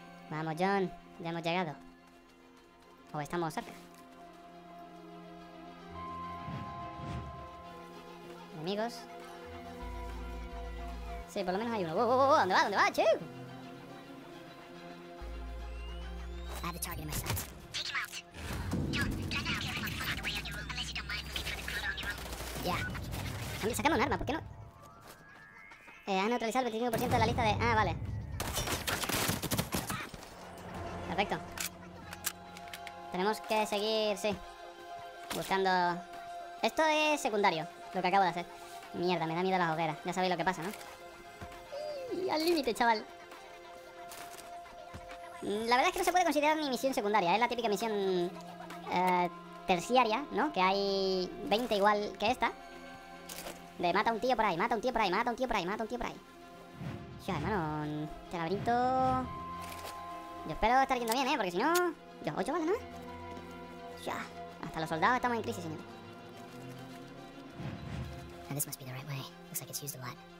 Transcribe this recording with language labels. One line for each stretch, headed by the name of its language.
Spanish: Vamos, John. Ya hemos llegado. O estamos cerca. Enemigos. Sí, por lo menos hay uno. ¡Oh, oh, oh! ¿Dónde va? ¿Dónde va, chico?
English: I have a target in my sights. Take him out. John, try to help everyone find a way on your own, unless you don't mind looking for the crud on your own. Yeah.
Spanish: Hombre, sacame un arma, ¿por qué no? Has neutralizado el 25% de la lista de... Ah, vale. Perfecto. Tenemos que seguir, sí. Buscando... Esto es secundario, lo que acabo de hacer. Mierda, me da miedo las hogueras. Ya sabéis lo que pasa, ¿no? Y al límite, chaval. La verdad es que no se puede considerar ni misión secundaria. Es la típica misión... terciaria, ¿no? Que hay 20 igual que esta. De mata a un tío por ahí, mata a un tío por ahí, mata a un tío por ahí, mata a un tío por ahí. Ya, hermano, este laberinto... Yo espero estar yendo bien, porque si no... Yo, 8 balas, ¿no? Ya, hasta los soldados estamos en crisis, señor.
English: Now this must be the right way. Looks like it's used a lot.